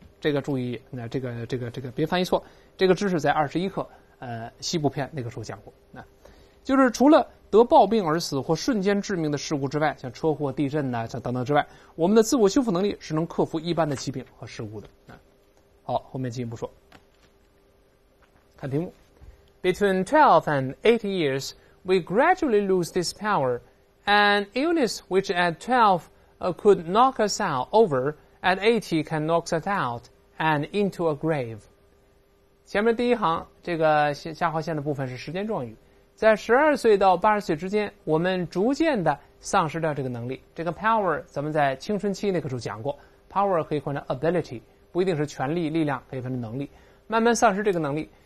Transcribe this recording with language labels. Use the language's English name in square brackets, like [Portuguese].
[Chinese] 这个注意，那这个别翻译错。这个知识在21课西部篇那个时候讲过。那就是除了得暴病而死或瞬间致命的事故之外，像车祸、地震呐、等等之外，我们的自我修复能力是能克服一般的疾病和事故的。好，后面进一步说。看题目 [English] ，Between 12 and 80 years, we gradually lose this power. An illness which at 12, could knock us out over, at 80 can knock us out and into a grave. [Chinese] 前面第一行这个下划线的部分是时间状语，在12岁到80岁之间，我们逐渐的丧失掉这个能力。这个 power 咱们在青春期那个时候讲过， power 可以换成 ability， 不一定是权力力量，可以换成能力，慢慢丧失这个能力。